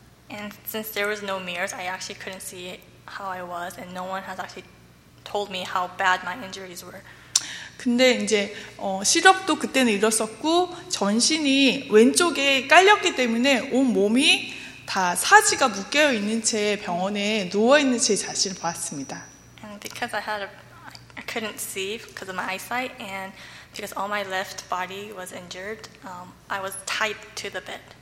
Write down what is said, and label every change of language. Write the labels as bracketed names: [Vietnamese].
[English] And since there was no mirrors, I actually couldn't see how I was, and no one has actually told me how bad my injuries were. [Korean] 근데 이제 시력도 그때는 잃었었고 전신이 왼쪽에 깔렸기 때문에 온 몸이 다 사지가 묶여 있는 채 병원에 누워 있는 제 자신을 보았습니다. [English] And because I couldn't see because of my eyesight and because all my left body was injured, I was tied to the bed.